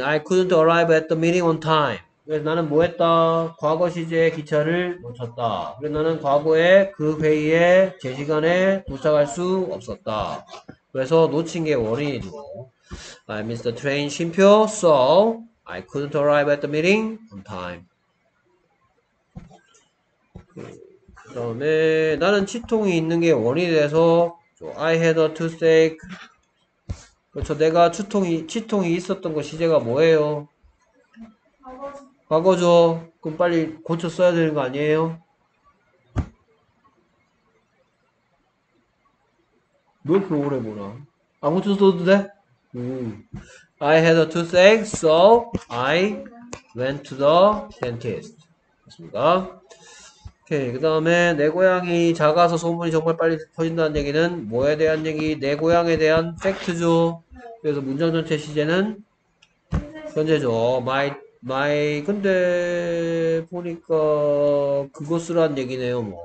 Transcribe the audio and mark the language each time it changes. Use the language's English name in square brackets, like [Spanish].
[English] I couldn't arrive at the meeting on time. [Korean] 그래서 나는 뭐 했다? 과거 시제에 기차를 놓쳤다. 그래서 나는 과거에 그 회의에 제 시간에 도착할 수 없었다. 그래서 놓친 게 원인이죠. [English] I missed the train. [Korean] 쉼표. [English] So, I couldn't arrive at the meeting on time. [Korean] 그 다음에 나는 치통이 있는 게 원인이 돼서 [English] I had a toothache. [Korean] 그렇죠. 내가 치통이 있었던 거 시제가 뭐예요? 과거죠. 그럼 빨리 고쳐 써야 되는 거 아니에요? 왜 그렇게 오래 보나? 안 고쳐 써도 돼? [English] I had a toothache, so I went to the dentist. [Korean] 맞습니까? 오케이. 그 다음에 내 고향이 작아서 소문이 정말 빨리 퍼진다는 얘기는 뭐에 대한 얘기? 내 고향에 대한 팩트죠. 그래서 문장 전체 시제는 현재죠. 근데 보니까 그것이란 얘기네요.